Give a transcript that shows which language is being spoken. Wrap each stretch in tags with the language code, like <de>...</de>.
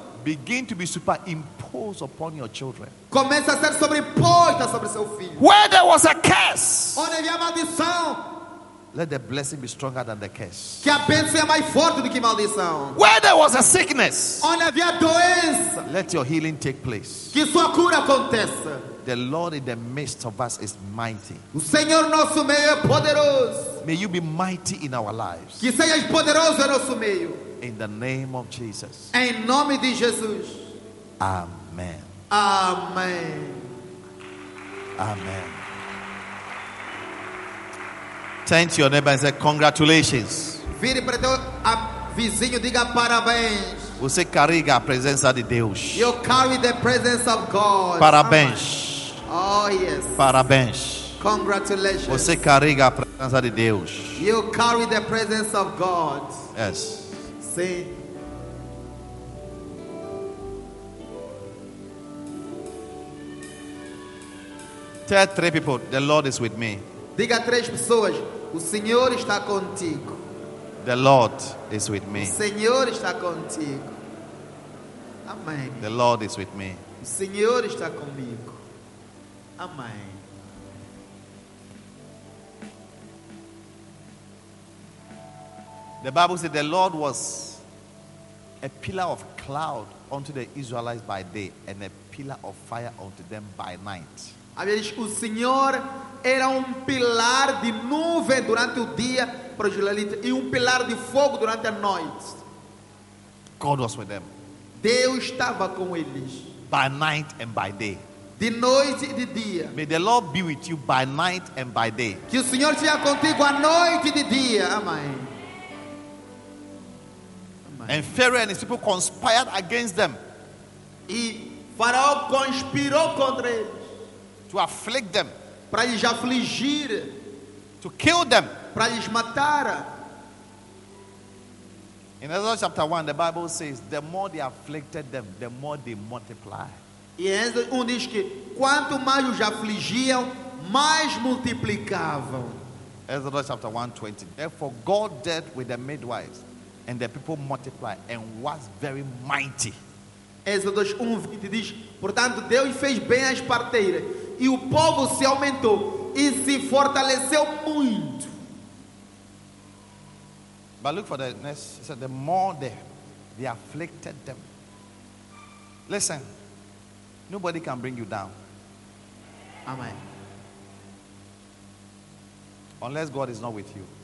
<en>Begin to be superimposed upon your children.</en> <pt>Comece a ser sobreposta sobre seu filho.</pt> <en>Where there was a curse.</en> <pt>Onde havia maldição.</pt> <en>Let the blessing be stronger than the curse.</en> <pt>Que a bênção é mais forte do que maldição.</pt> <en>Where there was a sickness.</en> <pt>Onde havia doença.</pt> <en>Let your healing take place.</en> <pt>Que sua cura aconteça.</pt> <en>The Lord in the midst of us is mighty.</en> <pt>O Senhor nosso meio é poderoso.</pt> <en>May you be mighty in our lives.</en> <pt>Que seja poderoso em nosso meio.</pt> <en>In the name of Jesus.</en> <pt>Em nome de Jesus.</pt> <en>Amen. Amen. Amen. Turn to your neighbor and say, congratulations.</en> <pt>Vire para teu vizinho, diga parabéns. Você carrega a presença de Deus.</pt> <en>You carry the presence of God.</en> <pt>Parabéns.</pt> <en>Oh yes.</en> <pt>Parabéns.</pt> <en>Congratulations.</en> <pt>Você carrega a presença de Deus.</pt> <en>You carry the presence of God. Yes.</en> <pt>Sim.</pt> <en>Tell three people, the Lord is with me.</en> <pt>Diga três pessoas, o Senhor está contigo.</pt> <en>The Lord is with me.</en> <pt>O Senhor está contigo. Amém.</pt> <en>The Lord is with me.</en> <pt>O Senhor está comigo. Amém.</pt> <en>The Bible said the Lord was a pillar of cloud unto the Israelites by day and a pillar of fire unto them by night.</en> <pt>O Senhor era pilar de nuvem durante o dia para os israelitas e pilar de fogo durante a noite.</pt> <en>God was with them.</en> <pt>Deus estava com eles.</pt> <en>By night and by day.</en> <pt>De noite e de dia.</pt> <en>May the Lord be with you by night and by day.</en> <pt>Que o Senhor esteja contigo à noite e de dia. Amém.</pt> <en>And Pharaoh and his people conspired against them.</en> <pt>E Faraó conspirou contra eles.</pt> <en>To afflict them.</en> <pt>Para lhes afligir.</pt> <en>To kill them.</en> <pt>Para lhes matar.</pt> <en>In Exodus chapter 1, the Bible says, the more they afflicted them, the more they multiply.</en> <pt>E Exodus 1 diz que quanto mais os afligiam, mais multiplicavam.</pt> <en>Exodus chapter 1:20. Therefore, God dealt with the midwives, and the people multiplied and was very mighty.</en> <pt>Exodus 1:20 diz, portanto, Deus fez bem as parteiras. E o povo se aumentou e se fortaleceu muito.</pt> <en>But look for the next. He said, the more they afflicted them. Listen, nobody can bring you down.</en> <pt>Amém.</pt> <en>Unless God is not with you.</en>